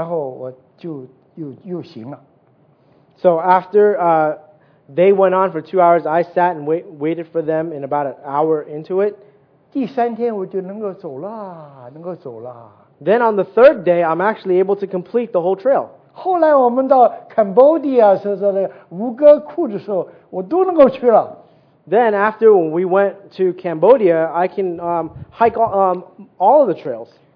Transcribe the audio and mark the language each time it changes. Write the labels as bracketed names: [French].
[Chinese] 反正一句话，第二天他们走两个小时，我说一小时不到，我说我再等你们回来，然后我就又行了。 [English] So after they went on for 2 hours, I sat and waited for them in about an hour into it. [Chinese] 第三天我就能够走了。 [English] Then on the third day, I'm actually able to complete the whole trail. [Chinese] 后来我们到 Cambodia 说那个吴哥窟的时候，我都能够去了。 [English] Then after when we went to Cambodia, I can hike all of the trails.